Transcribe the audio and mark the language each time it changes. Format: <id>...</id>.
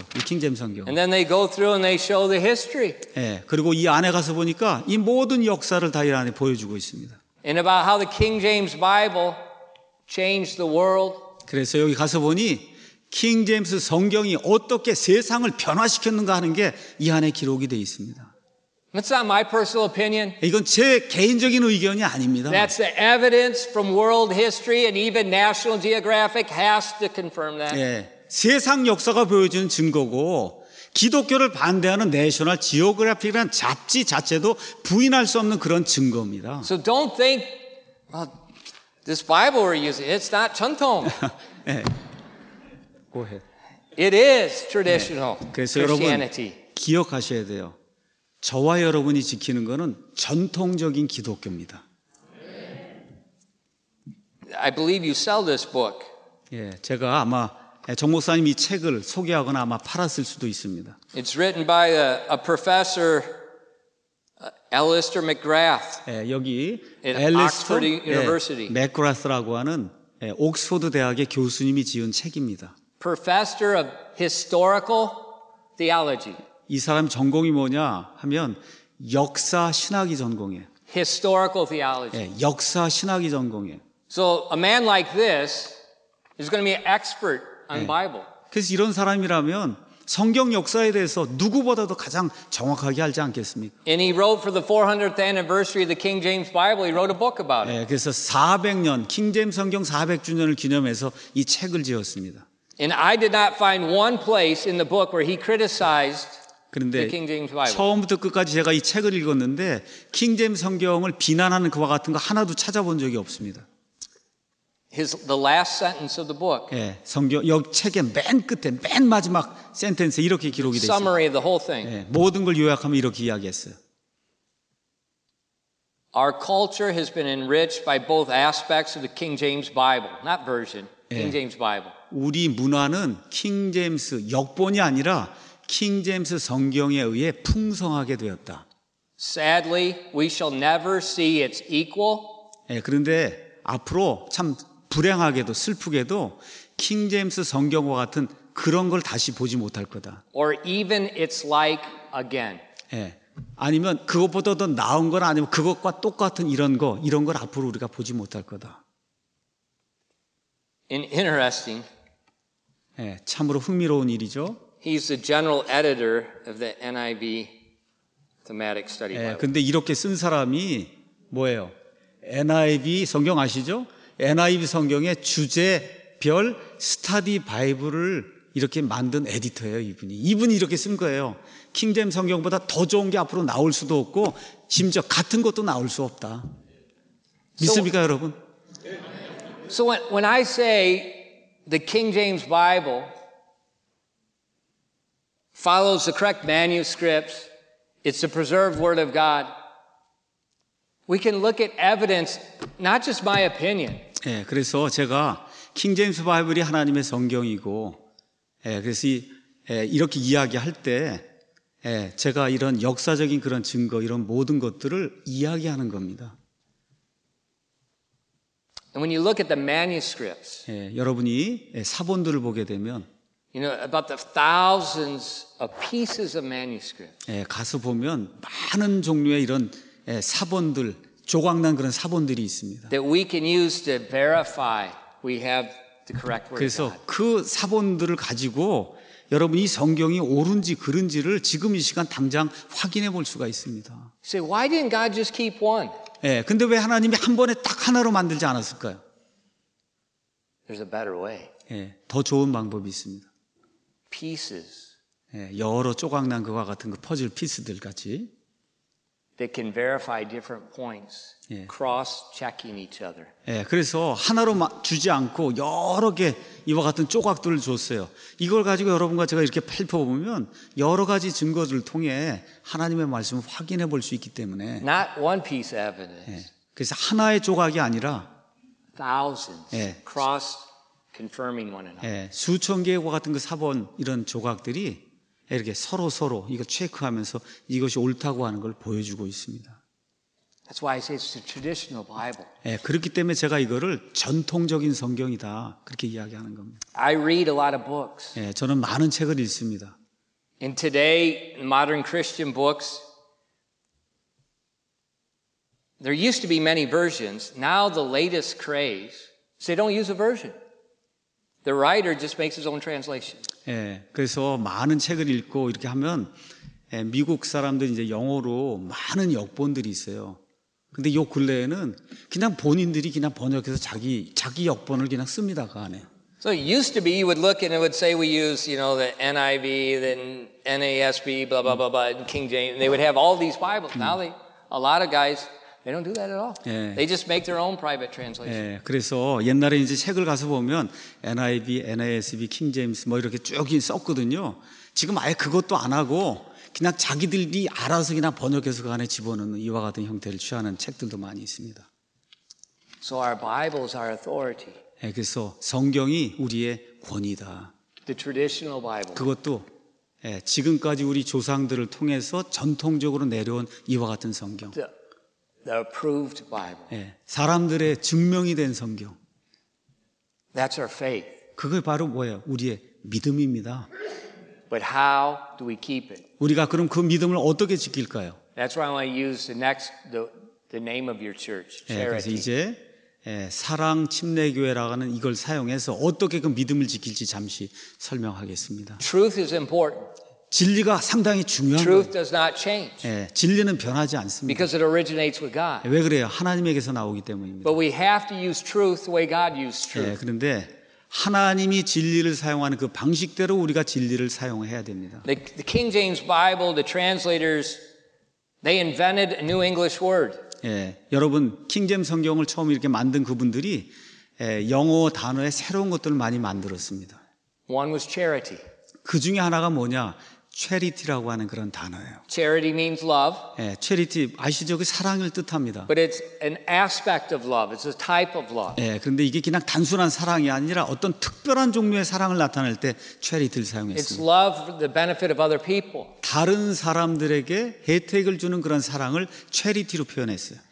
<ko>이 킹제임스 성경.</ko> <en>And then they go through and they show the history.</en> <ko>예, 그리고 이 안에 가서 보니까 이 모든 역사를 다 이 안에 보여주고 있습니다.</ko> <en>And about how the King James Bible changed the world.</en> <ko>그래서 여기 가서 보니 킹제임스 성경이 어떻게 세상을 변화시켰는가 하는 게 이 안에 기록이 돼 있습니다.</ko> <en>That's not my personal opinion.</en> <ko>이건 제 개인적인 의견이 아닙니다.</ko> <en>That's the evidence from world history and even National Geographic has to confirm that.</en> <ko>예, 세상 역사가 보여주는 증거고 기독교를 반대하는 National Geographic이라는 잡지 자체도 부인할 수 없는 그런 증거입니다.</ko> <en>So don't think this Bible we're using, it's not 전통. 예. Go ahead. It is traditional Christianity.</en> <ko>그래서 여러분 기억하셔야 돼요. 저와 여러분이 지키는 것은 전통적인 기독교입니다.</ko> <en>I believe you sell this book.</en> <ko>예, 제가 아마 정 목사님이 책을 소개하거나 아마 팔았을 수도 있습니다.</ko> <en>It's written by a professor, Alistair McGrath.</en> <ko>예, 여기 Alistair University. 맥그라스라고 하는 옥스퍼드 대학의 교수님이 지은 책입니다.</ko> <en>Professor of historical theology.</en> <ko>이 사람 전공이 뭐냐 하면 역사 신학이 전공이에요.</ko> <en>Historical theology.</en> <ko>예, 역사 신학이 전공이에요.</ko> <en>So a man like this is going to be an expert on the Bible.</en> <ko>그래서 이런 사람이라면 성경 역사에 대해서 누구보다도 가장 정확하게 알지 않겠습니까?</ko> <en>And he wrote for the 400th anniversary of the King James Bible. He wrote a book about it.</en> <ko>예, 그래서 400년 킹 제임스 성경 400주년을 기념해서 이 책을 지었습니다.</ko> <en>And I did not find one place in the book where he criticized the King James Bible.</en> <ko>처음부터 끝까지 제가 이 책을 읽었는데 킹 제임스 성경을 비난하는 그와 같은 거 하나도 찾아본 적이 없습니다.</ko> <en>The last sentence of the book.</en> <ko>예, 성경 역 책의 맨 끝에 맨 마지막 센텐스 이렇게 기록이 돼 있어요.</ko> <en>Summary of the whole thing.</en> <ko>예, 모든 걸 요약하면 이렇게 이야기했어요.</ko> <en>Our culture has been enriched by both aspects of the King James Bible, not version. King James Bible.</en> <ko>우리 문화는 킹 제임스 역본이 아니라 킹 제임스 성경에 의해 풍성하게 되었다.</ko> <en>Sadly, we shall never see its equal.</en> <ko>예, 그런데 앞으로 참 불행하게도 슬프게도 킹 제임스 성경과 같은 그런 걸 다시 보지 못할 거다.</ko> <en>Or even its like again.</en> <ko>예, 아니면 그것보다 더 나은 건 아니면 그것과 똑같은 이런 걸 앞으로 우리가 보지 못할 거다.</ko> <en>Interesting.</en> <ko>예, 참으로 흥미로운 일이죠.</ko> <en>He's the general editor of the NIV thematic study Bible.</en> <ko>예, 근데 이렇게 쓴 사람이 뭐예요? NIV 성경 아시죠? NIV 성경의 주제별 스터디 바이블을 이렇게 만든 에디터예요, 이분이. 이분이 이렇게 쓴 거예요. 킹잼 성경보다 더 좋은 게 앞으로 나올 수도 없고 심지어 같은 것도 나올 수 없다. 믿습니까, 여러분?</ko> <en>So when I say the King James Bible follows the correct manuscripts, it's the preserved word of God, we can look at evidence, not just my opinion.</en> <ko>예, 그래서 제가 킹 제임스 바이블이 하나님의 성경이고, 예, 그래서 이, 예, 이렇게 이야기할 때, 예, 제가 이런 역사적인 그런 증거, 이런 모든 것들을 이야기하는 겁니다.</ko> <en>And when you look at the manuscripts,</en> <ko>예, 여러분이 사본들을 보게 되면,</ko> <en>you know about the thousands of pieces of manuscripts.</en> <ko>예, 가서 보면 많은 종류의 이런 예, 사본들, 조각난 그런 사본들이 있습니다.</ko> <en>That we can use to verify we have the correct word.</en> <ko>그래서 그 사본들을 가지고 여러분이 성경이 옳은지 그른지를 지금 이 시간 당장 확인해 볼 수가 있습니다.</ko> <en>So why didn't God just keep one?</en> <ko>예, 근데 왜 하나님이 한 번에 딱 하나로 만들지 않았을까요?</ko> <en>There's a better way.</en> <ko>예, 더 좋은 방법이 있습니다.</ko> <en>Pieces.</en> <ko>예, 여러 조각난 그와 같은 그 퍼즐 피스들 같이.</ko> <en>They can verify different points, cross-checking each other.</en> <ko>예, 그래서 하나로 주지 않고 여러 개 이와 같은 조각들을 줬어요. 이걸 가지고 여러분과 제가 이렇게 펼쳐보면 여러 가지 증거들을 통해 하나님의 말씀을 확인해 볼 수 있기 때문에.</ko> <en>Not one piece of evidence.</en> <ko>예, 그래서 하나의 조각이 아니라.</ko> <en>Thousands. 예, cross-confirming one another.</en> <ko>예, 수천 개와 같은 그 사본 이런 조각들이. 이렇게 서로 이거 체크하면서 이것이 옳다고 하는 걸 보여주고 있습니다.</ko> <en>That's why I say it's a traditional Bible.</en> <ko>예, 그렇기 때문에 제가 이거를 전통적인 성경이다 그렇게 이야기하는 겁니다.</ko> <en>I read a lot of books.</en> <ko>예, 저는 많은 책을 읽습니다.</ko> <en>In today, modern Christian books, there used to be many versions. Now the latest craze, so they don't use a version. The writer just makes his own translation.</en> <ko>예, 그래서 많은 책을 읽고 이렇게 하면 예, 미국 사람들 이제 영어로 많은 역본들이 있어요. 근데 요 근래에는 그냥 본인들이 그냥 번역해서 자기 역본을 그냥 씁니다 그 안에.</ko> <en>So it used to be you would look and it would say we use you know the NIV, then NASB, blah blah blah blah, King James. They would have all these Bibles. Now they, a lot of guys, They don't do that at all. 예. They just make their own private translation.</en> <ko>예. 그래서 옛날에 이제 책을 가서 보면 NIV, NASB, King James 뭐 이렇게 쭉 썼거든요. 지금 아예 그것도 안 하고 그냥 자기들이 알아서 그냥 번역해서 그 안에 집어넣는 이와 같은 형태를 취하는 책들도 많이 있습니다.</ko> <en>So our Bibles are authority.</en> <ko>예, 그래서 성경이 우리의 권위다.</ko> <en>The traditional Bible.</en> <ko>그것도 예, 지금까지 우리 조상들을 통해서 전통적으로 내려온 이와 같은 성경.</ko> <en>The approved Bible.</en> <ko>예, 사람들의 증명이 된 성경.</ko> <en>That's our faith.</en> <ko>그게 바로 뭐예요? 우리의 믿음입니다.</ko> <en>But how do we keep it?</en> <ko>우리가 그럼 그 믿음을 어떻게 지킬까요?</ko> <en>That's why I want to use the next the name of your church, charity.</en> <ko>예, 그래서 이제 예, 사랑 침례교회라는 이걸 사용해서 어떻게 그 믿음을 지킬지 잠시 설명하겠습니다.</ko> <en>Truth is important.</en> <ko>진리가 상당히 중요한</ko> <en>Truth</en> <ko>거예요.</ko> <en>does not change.</en> <ko>예, 진리는 변하지 않습니다.</ko> <en>Because it originates with God.</en> <ko>왜 그래요? 하나님에게서 나오기 때문입니다.</ko> <en>But we have to use truth the way God used truth.</en> <ko>예, 그런데 하나님이 진리를 사용하는 그 방식대로 우리가 진리를 사용해야 됩니다.</ko> <en>The King James Bible, the translators, they invented a new English word.</en> <ko>예, 여러분 킹제임스 성경을 처음 이렇게 만든 그분들이 예, 영어 단어에 새로운 것들을 많이 만들었습니다.</ko> <en>One was charity.</en> <ko>그 중에 하나가 뭐냐? charity라고 하는 그런 단어예요.</ko> <en>Charity means love.</en> <ko>예, charity 아시죠? 그 사랑을 뜻합니다.</ko> <en>But it's an aspect of love. It's a type of love.</en> <ko>예, 그런데 이게 그냥 단순한 사랑이 아니라 어떤 특별한 종류의 사랑을 나타낼 때 charity를 사용했습니다.</ko> <en>It's love for the benefit of other people.</en> <ko>다른 사람들에게 혜택을 주는 그런 사랑을 charity로 표현했어요.</ko>